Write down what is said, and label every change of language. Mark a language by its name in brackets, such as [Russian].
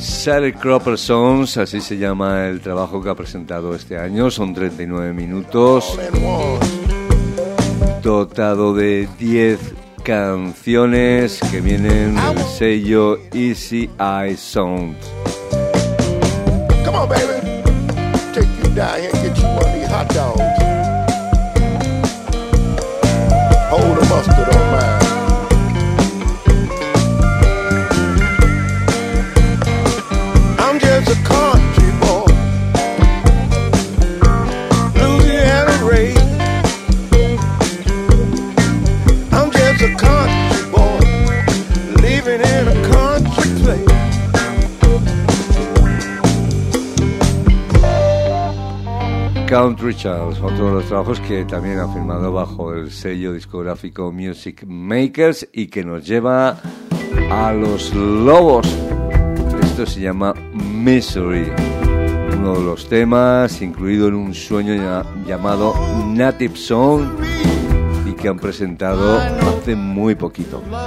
[Spanish] Sally Cropper Songs, así se llama el trabajo que ha presentado este año. Son 39 minutos. Dotado de 10 canciones que vienen del sello Easy Eye Sound. [English] Come on, baby. Take you down here and get you one of these hot dogs. Hold a mustard on mine. I'm just a country boy, Louisiana raised. I'm just a country boy, living in a country place. [Spanish] Country Charles, otro de los trabajos que también ha firmado bajo el sello discográfico Music Makers y que nos lleva a los Lobos. Esto se llama Misery, uno de los temas incluido en un sueño llamado Native Song y que han presentado hace muy poquito.